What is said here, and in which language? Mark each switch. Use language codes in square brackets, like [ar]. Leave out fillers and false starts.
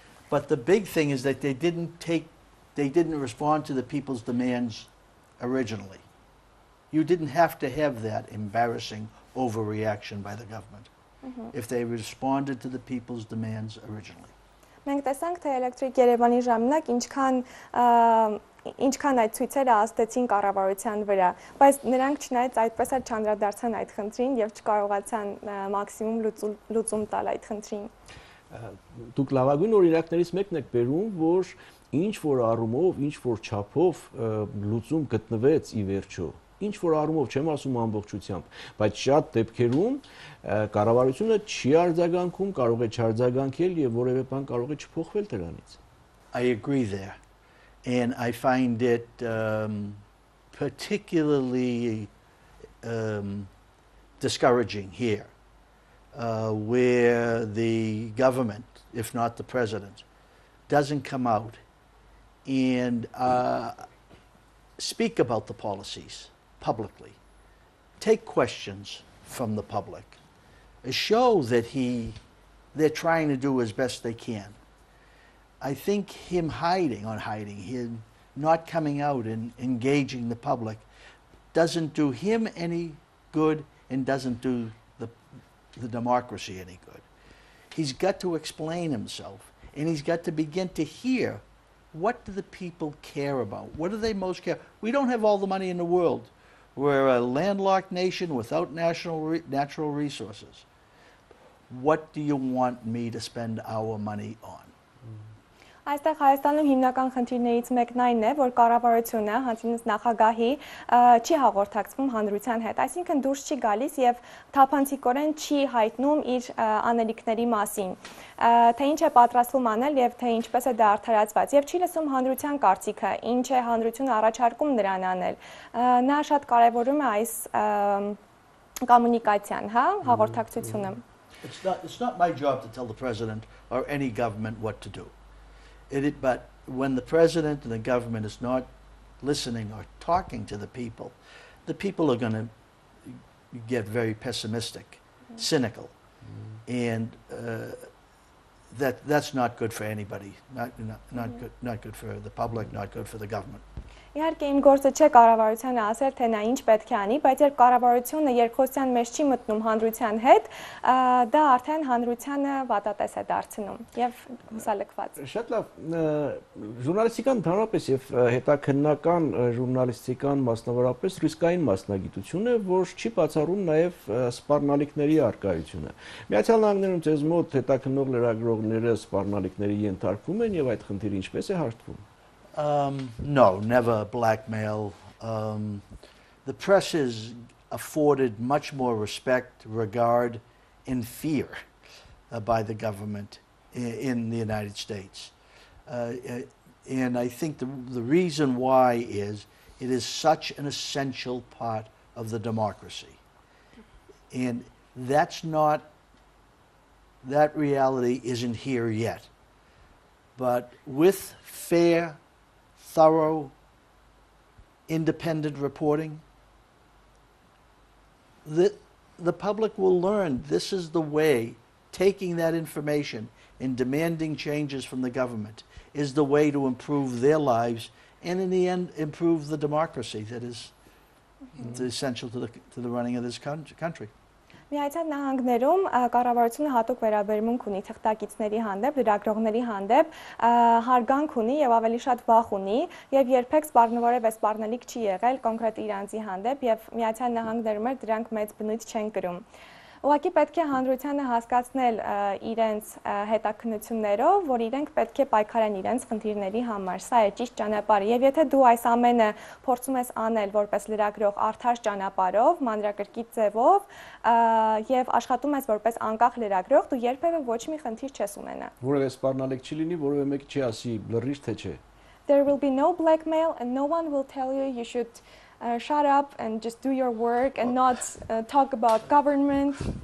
[en] But the big thing is that they didn't respond to the people's demands originally. You didn't have to have that embarrassing overreaction by the government. If they responded to the people's demands originally. [hy] Մենք տեսանք, թե Electric Yerevan-ի ժամանակ ինչքան ինչքան այդ ցույցերը ազդեցին կառավարության վրա, բայց նրանք չնայած այդպես էլ չանդրադարձան այդ խնդրին եւ չկարողացան մաքսիմում լուծում տալ այդ խնդրին։ Դուք լավագույն օրինակներից մեկն եք բերում, որ ինչ որ առումով, ինչ որ չափով լուծում գտնվեց ի վերջո։ Ինչ որ առումով, չեմ ասում ամբողջությամբ, բայց շատ դեպքերում կառավարությունը չի արձագանքում, կարող է չարձագանքել եւ որևէ բան կարող է չփոխվել դրանից։ [en] I agree there. And I find it particularly discouraging here, where the government, if not the president, doesn't come out and speak about the policies publicly, take questions from the public, show that they're trying to do as best they can. I think him hiding, not coming out and engaging the public doesn't do him any good and doesn't do the democracy any good. He's got to explain himself, and he's got to begin to hear, what do the people care about? What do they most care? We don't have all the money in the world. We're a landlocked nation without natural resources. What do you want me to spend our money on? [hy] Այստեղ Հայաստանում հիմնական խնդիրներից մեկն այն է, որ կառավարությունը, հանրինիս նախագահի չի հաղորդակցվում հանրության հետ, այսինքն դուրս չի գալիս եւ թափանցիկորեն չի հայտնում իր անելիքների մասին, թե ինչ է պատրաստվում անել եւ թե ինչպես է դա արդարացված, եւ չի լսում հանրության կարծիքը, ինչ է հանրությունը առաջարկում նրան անել։ Նա շատ կարեւորում է այս կոմունիկացիան, հա, հաղորդակցությունը։ [en] It's not my job to tell the president or any government what to do. But when the president and the government is not listening or talking to the people are going to get very pessimistic, cynical, and that's not good for anybody. Not good for the public. Not good for the government. [hy] Իհարկե իմ գործը չէ կառավարությանը ասել, թե նա ինչ պետք է անի, բայց երբ կառավարությունը երկխոսության մեջ չի մտնում հանրության հետ, դա արդեն հանրությանը վատատես է դարձնում եւ հուսալեկված։ Շատ լավ, ժուրնալիստիկան ընդհանրապես եւ հետաքննական ժուրնալիստիկան մասնավորապես ռիսկային մասնագիտություն է, որ չի բացառում նաեւ սպառնալիքների արկայությունը։ Միացյալ Նահանգներում ձեզ մոտ հետաքննող լրագրողները սպառնալիքների ենթարկվում են եւ այդ խնդիրը ինչպես է հարթվում։ [en] No, never blackmail. The press is afforded much more respect, regard, and fear by the government in the United States. And I think the reason why is it is such an essential part of the democracy. And that reality isn't here yet. But with fair, thorough, independent reporting, the public will learn this is the way, taking that information and demanding changes from the government is the way to improve their lives and in the end improve the democracy that is essential to the running of this country. [hy] Միացյալ Նահանգներում կառավարությունը հատուկ վերաբերմունք ունի թղթակիցների հանդեպ, լրագրողների հանդեպ, հարգանք ունի եւ ավելի շատ վախ ունի, եւ երբեք սպառնորեւես սպառնալիք չի եղել կոնկրետ իրանձի հանդեպ, եւ Միացյալ Նահանգներում էլ դրանք մեծ բնույթ չեն կրում։ Ուղղակի պետք է հանրությանը հասկացնել իրենց հետաքնություններով, որ իրենք պետք է պայքարեն իրենց խնդիրների համար։ Սա է ճիշտ ճանապարհը։ Եվ եթե դու այս ամենը փորձում ես անել որպես լրագրող արդար ճանապարհով, մանրակրկիտ ձևով, եւ աշխատում ես որպես անկախ լրագրող, դու երբեւե ոչ մի խնդիր չես ունենա։ Որևէ սպառնալիք չի լինի, որևէ մեկ չի ասի լրիր թե չէ։ [en] There will be no blackmail and no one will tell you you should shut up and just do your work and not talk about government.